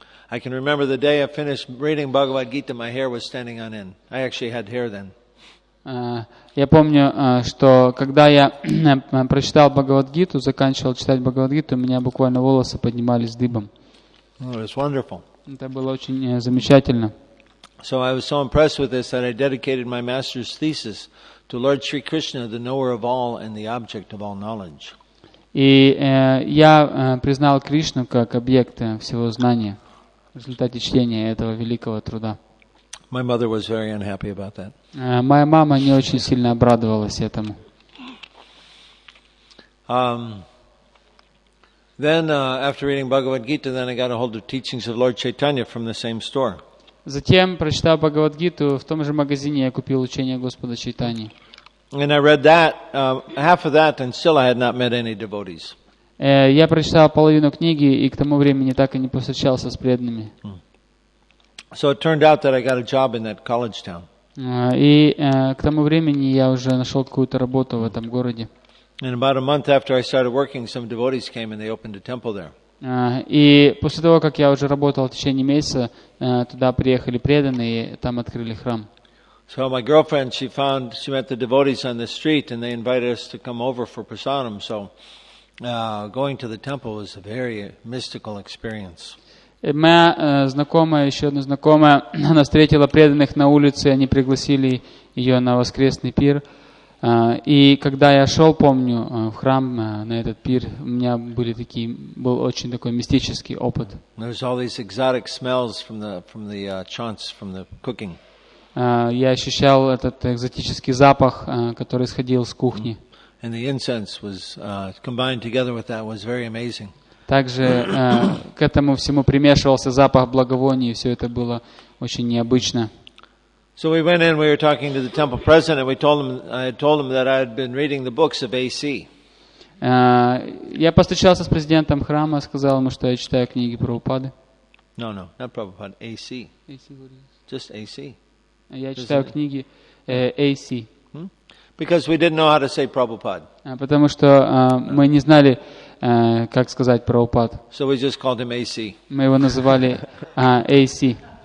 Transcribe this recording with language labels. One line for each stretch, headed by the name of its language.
English: I can remember the day I finished reading Bhagavad Gita, my hair was standing on end. I actually had hair then.
Russian: Я помню, что когда я прочитал Бхагавад Гиту, заканчивал читать Бхагавад Гиту, у меня буквально волосы поднимались дыбом.
English: It was wonderful.
Russian: Это было очень замечательно.
English: So I was so impressed with this that I dedicated my master's thesis to Lord Sri Krishna, the knower of all and the object of all knowledge.
Russian: И я признал Кришну как объект всего знания в результате чтения этого великого труда.
English: My mother was very unhappy about that.
Russian: Моя мама не очень сильно обрадовалась этому.
English: Then after reading Bhagavad Gita, then I got a hold of teachings of Lord Chaitanya from the same store.
Russian: Затем, прочитав Бхагавад Гиту, в том же магазине я купил учение Господа Чайтаньи.
English: And I read that, half of that, and still I had not met any devotees.
Russian: Я прочитал половину книги, и к тому времени так и не повстречался с преданными.
English: So it turned out that I got a job in that college town.
Russian: И к тому времени я уже нашел какую-то работу в этом городе.
English: And about a month after I started working, some devotees came and they opened a temple there.
Russian: И после того, как я уже работал в течение месяца, туда приехали преданные, там открыли храм.
English: So my girlfriend, she met the devotees on the street and they invited us to come over for prasadam. So going to the temple was a very mystical experience.
Russian: Моя знакомая, еще одна знакомая, она встретила преданных на улице, они пригласили ее на воскресный пир. И когда я шел, помню, в храм на этот пир, у меня были такие, был очень такой мистический опыт.
English: There's all these exotic smells from the chants, from the cooking.
Russian: Я ощущал этот экзотический запах, который исходил с кухни.
English: And the incense was combined together with that was very amazing.
Russian: Также к этому всему примешивался запах благовоний, и все это было очень необычно.
English: So we went in, we were talking to the temple president, and I had told him that I had been reading the books of AC.
Russian: Я постучался с президентом храма, сказал ему, что я читаю книги Прабхупады.
English: No, no, not Prabhupada, AC. AC what is it? Just AC.
Russian: Я читаю книги AC.
English: Because we didn't know how to say Prabhupada.
Russian: Потому что мы не знали, как сказать Прабхупад.
English: So we just called him AC.
Russian: Мы его называли AC.